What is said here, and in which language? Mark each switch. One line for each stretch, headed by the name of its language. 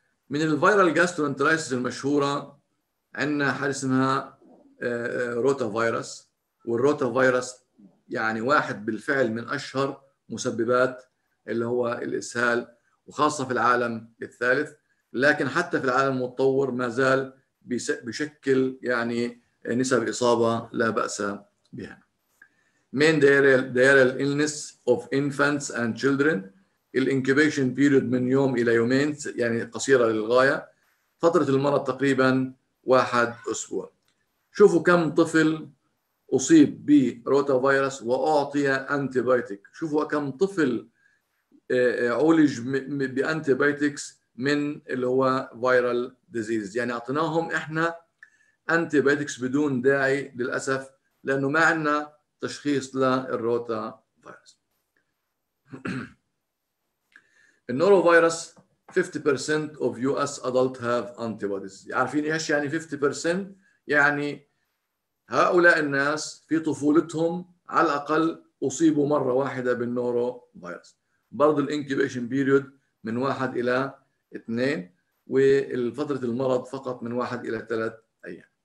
Arabic: من الفيرال جاسترو انتريتس المشهورة عندنا حال اسمها روتا فيروس، والروتا فيروس يعني واحد بالفعل من أشهر مسببات اللي هو الإسهال وخاصة في العالم الثالث، لكن حتى في العالم المتطور ما زال بشكل يعني نسب إصابة لا بأس بها.
English: Main diarrheal illness of infants and children.
Arabic: الانكيبيشن بيريود من يوم إلى يومين يعني قصيرة للغاية. فترة المرض تقريبا واحد أسبوع. شوفوا كم طفل أصيب بروتا فيروس وأعطي أنتيبيوتيك. شوفوا كم طفل عولج بانتيبايتكس من اللي هو فيرال ديزيز. يعني اعطيناهم احنا انتيبايتكس بدون داعي للاسف لانه ما عندنا تشخيص للروتا فيروس.
English: النورو فيروس 50% of US adult have antibodies.
Arabic: عارفين ايش يعني 50%؟ يعني هؤلاء الناس في طفولتهم على الاقل اصيبوا مره واحده بالنورو فيروس. برضو الانكيبيشن بيريود من 1 إلى 2، والفترة المرض فقط من 1 إلى 3 أيام.